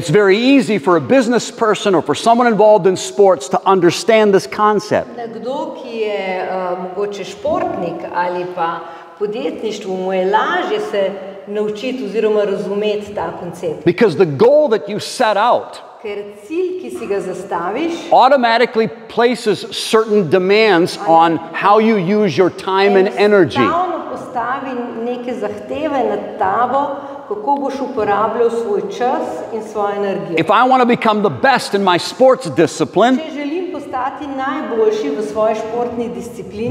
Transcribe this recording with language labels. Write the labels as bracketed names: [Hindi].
[English] It's very easy for a business person or for someone involved in sports to understand this concept. [Slovenian] Nekdo, ki je mogoče športnik ali pa podjetništvo, mu je lažje se naučiti oziroma razumeti ta koncept. [English] Because the goal that you set out [Slovenian] ker cilj, ki si ga zastaviš, [English] automatically places certain demands on how you use your time and energy. [Slovenian] Enostavno postavi neke zahteve na tabo, kako boš uporabljal svoj čas in svojo energijo. [English] If I want to become the best in my sports discipline, [Slovenian] če želim postati najboljši v svoji športni disciplini,